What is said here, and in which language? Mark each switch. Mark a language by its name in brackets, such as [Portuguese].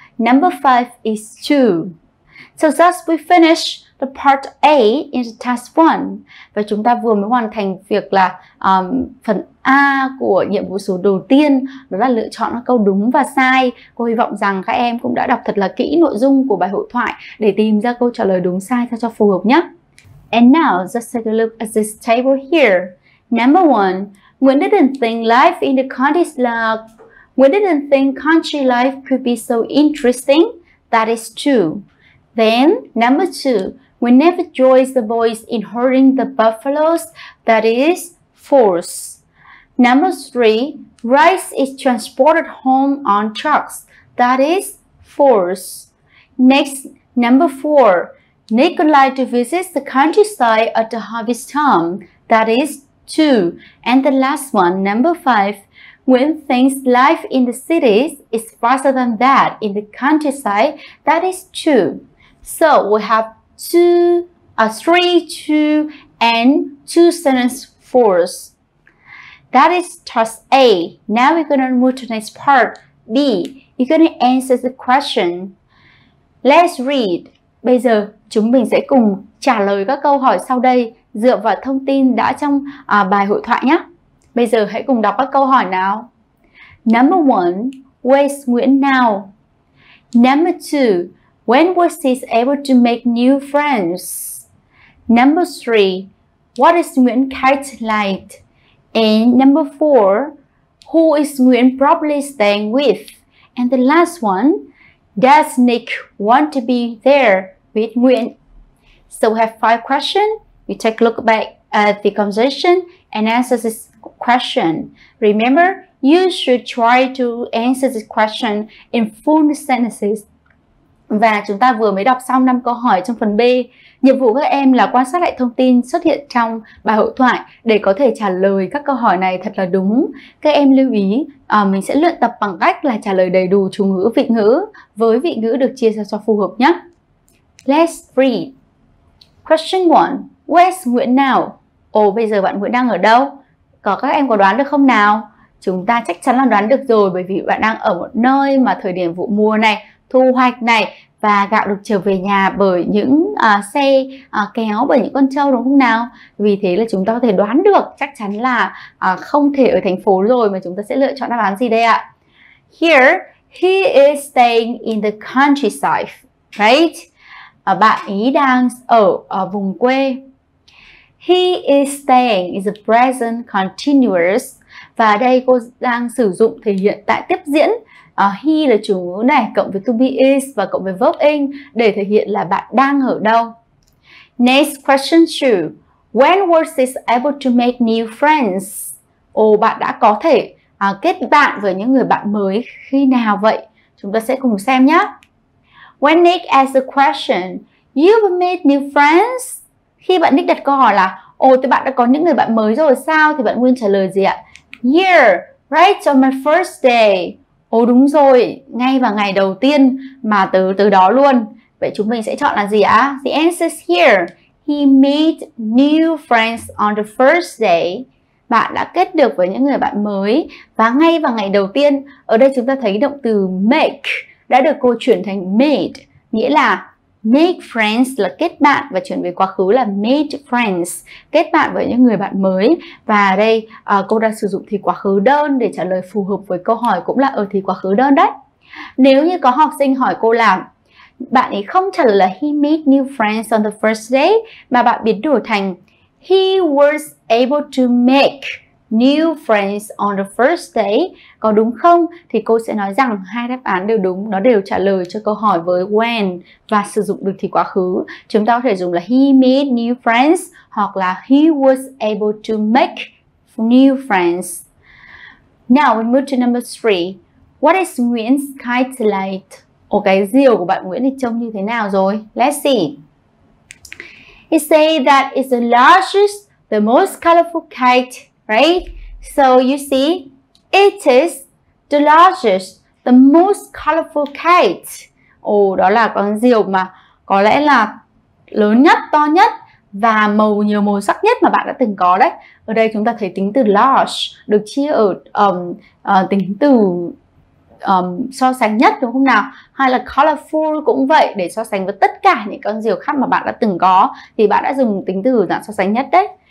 [English] Number 5 is 2. So thus we finish the part A in the task 1. [Vietnamese] Và chúng ta vừa mới hoàn thành việc là phần A của nhiệm vụ số đầu tiên, đó là lựa chọn các câu đúng và sai. Cô hy vọng rằng các em cũng đã đọc thật là kỹ nội dung của bài hội thoại để tìm ra câu trả lời đúng sai sao cho phù hợp nhé. [English] And now, just take a look at this table here. Number 1. Nguyễn didn't think life in the countryside. Nguyễn didn't think country life could be so interesting. That is true. Then, number 2. Nguyễn never joins the boys in herding the buffaloes. That is false. Number 3. Rice is transported home on trucks. That is false. Next, number 4. Nick would like to visit the countryside at the harvest time. That is 2. And the last one, number 5. Nguyễn thinks life in the cities is faster than that in the countryside. That is 2. So we have 3, 2, and 2 sentence forms. That is task A. Now we're going to move to the next part, B. You're going to answer the question. Let's read. [Vietnamese] Bây giờ chúng mình sẽ cùng trả lời các câu hỏi sau đây dựa vào thông tin đã trong bài hội thoại nhé. Bây giờ hãy cùng đọc các câu hỏi nào. [English] Number 1. Where's Nguyễn now? Number 2. When was he able to make new friends? Number 3. What is Nguyễn kite like? And number 4. Who is Nguyễn probably staying with? And the last one. Does Nick want to be there with Nguyễn? So we have 5 questions. You take a look back at the conversation and answer this question. Remember, you should try to answer this question in full sentences. [Vietnamese] Và chúng ta vừa mới đọc xong 5 câu hỏi trong phần B. Nhiệm vụ các em là quan sát lại thông tin xuất hiện trong bài hội thoại để có thể trả lời các câu hỏi này thật là đúng. Các em lưu ý, mình sẽ luyện tập bằng cách là trả lời đầy đủ chủ ngữ, vị ngữ với vị ngữ được chia ra cho phù hợp nhé. [English] Let's read. Question 1. Where's Nguyễn now? [Vietnamese] Bây giờ bạn Nguyễn đang ở đâu? Các em có đoán được không nào? Chúng ta chắc chắn là đoán được rồi, bởi vì bạn đang ở một nơi mà thời điểm vụ mùa này, thu hoạch này, và gạo được trở về nhà bởi những xe kéo bởi những con trâu, đúng không nào? Vì thế là chúng ta có thể đoán được chắc chắn là không thể ở thành phố rồi, mà chúng ta sẽ lựa chọn đáp án gì đây ạ? [English] Here, he is staying in the countryside, right? [Vietnamese] Bạn ý đang ở vùng quê. [English] He is staying is a present continuous. [Vietnamese] Và đây cô đang sử dụng thể hiện tại tiếp diễn. He là chủ ngữ này, cộng với to be is và cộng với verb in để thể hiện là bạn đang ở đâu. [English] Next question 2. When was he able to make new friends? [Vietnamese] Bạn đã có thể kết bạn với những người bạn mới khi nào vậy? Chúng ta sẽ cùng xem nhé. [English] When Nick asked the question, you've made new friends? [Vietnamese] Khi bạn Nick đặt câu hỏi là, thì bạn đã có những người bạn mới rồi sao? Thì bạn Nguyên trả lời gì ạ? [English] Yeah, right on my first day. [Vietnamese] Đúng rồi, ngay vào ngày đầu tiên mà từ đó luôn. Vậy chúng mình sẽ chọn là gì ạ? [English] The answer is here. He made new friends on the first day. [Vietnamese] Bạn đã kết được với những người bạn mới và ngay vào ngày đầu tiên. Ở đây chúng ta thấy động từ make đã được cô chuyển thành made, nghĩa là make friends là kết bạn, và chuyển về quá khứ là made friends, kết bạn với những người bạn mới. Và đây cô đang sử dụng thì quá khứ đơn để trả lời phù hợp với câu hỏi, cũng là ở thì quá khứ đơn đấy. Nếu như có học sinh hỏi cô là bạn ấy không trả lời là [English] he made new friends on the first day, [Vietnamese] mà bạn biến đổi thành [English] he was able to make new friends on the first day, [Vietnamese] có đúng không? Thì cô sẽ nói rằng hai đáp án đều đúng, nó đều trả lời cho câu hỏi với when và sử dụng được thì quá khứ. Chúng ta có thể dùng là [English] he made new friends [Vietnamese] hoặc là [English] he was able to make new friends. Now we move to number 3. What is Nguyễn's kite like? [Vietnamese] Ồ, cái diều của bạn Nguyễn thì trông như thế nào rồi? [English] Let's see. He say that it's the largest, the most colorful kite, right? So you see, it is the largest, the most colorful kite. [Vietnamese] Ồ, đó là con diều mà có lẽ là lớn nhất, to nhất và màu nhiều màu sắc nhất mà bạn đã từng có đấy. Ở đây chúng ta thấy tính từ large được chia ở tính từ so sánh nhất đúng không nào? Hay là colorful cũng vậy, để so sánh với tất cả những con diều khác mà bạn đã từng có thì bạn đã dùng tính từ dạng so sánh nhất đấy.